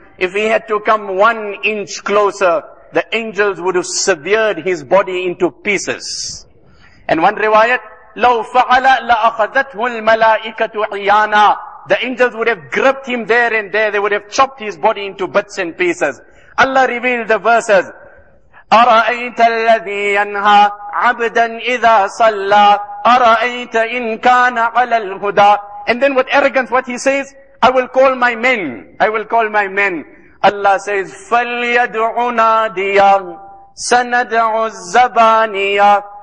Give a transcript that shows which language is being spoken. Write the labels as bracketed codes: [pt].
[en] If he had to come 1 inch closer, the angels would have severed his body into pieces. And one riwayat, [ar] لو فعل لأخذته الملائكة عيانا. [en] The angels would have gripped him there and there. They would have chopped his body into bits and pieces. Allah revealed the verses. [ar] أَرَأَيْتَ الَّذِي يَنْهَى عَبْدًا إِذَا صَلَّى أَرَأَيْتَ إِنْ كَانَ عَلَى الْهُدَى. [en] And then with arrogance, what he says, I will call my men. Allah says, [ar] فَلْيَدْعُ نَادِيَا سَنَدْعُ الزَّبَانِيَا.